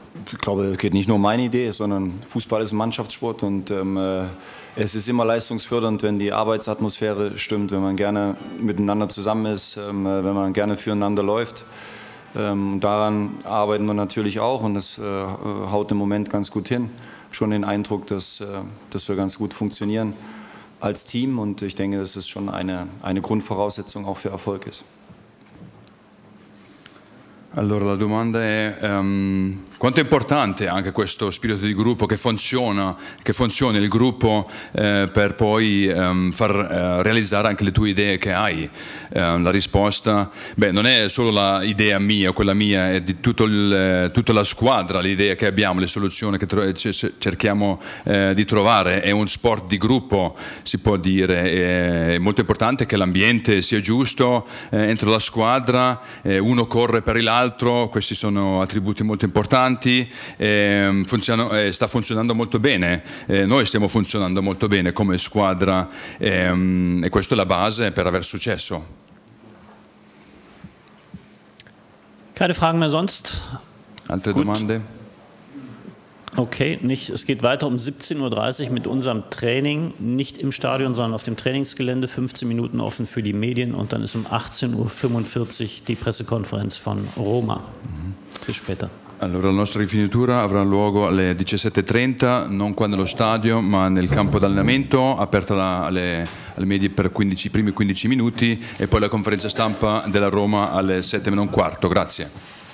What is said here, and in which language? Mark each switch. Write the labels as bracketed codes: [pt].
[de] Ich glaube, es geht nicht nur um meine Idee, sondern Fußball ist ein Mannschaftssport und es ist immer leistungsfördernd, wenn die Arbeitsatmosphäre stimmt, wenn man gerne miteinander zusammen ist, wenn man gerne füreinander läuft. Daran arbeiten wir natürlich auch und das haut im Moment ganz gut hin. Schon den Eindruck, dass wir ganz gut funktionieren als Team und ich denke, dass es schon eine Grundvoraussetzung auch für Erfolg ist. [it] Allora, la domanda è quanto è importante anche questo spirito di gruppo che funziona il gruppo per poi far realizzare anche le tue idee che hai. La risposta, non è solo l'idea mia, quella mia, è di tutta la squadra l'idea che abbiamo, le soluzioni che cerchiamo di trovare. È un sport di gruppo, si può dire. È molto importante che l'ambiente sia giusto entro la squadra, uno corre per l'altro. Questi sono attributi molto importanti, sta funzionando molto bene, noi stiamo funzionando molto bene come squadra e questa è la base per aver successo. [de] Keine Fragen mehr sonst? [it] Altre [de] Gut. [it] Domande? [de] Ok, nicht. Es geht weiter um 17.30 Uhr mit unserem Training, nicht im Stadion, sondern auf dem Trainingsgelände, 15 Minuten offen für die Medien und dann ist um 18.45 Uhr die Pressekonferenz von Roma. Bis später. [it] Allora, la nostra rifinitura avrà luogo alle 17.30, non qua nello stadio, ma nel campo d'allenamento, aperta alle medie per i primi 15 minuti e poi la conferenza stampa della Roma alle 7.15. Grazie.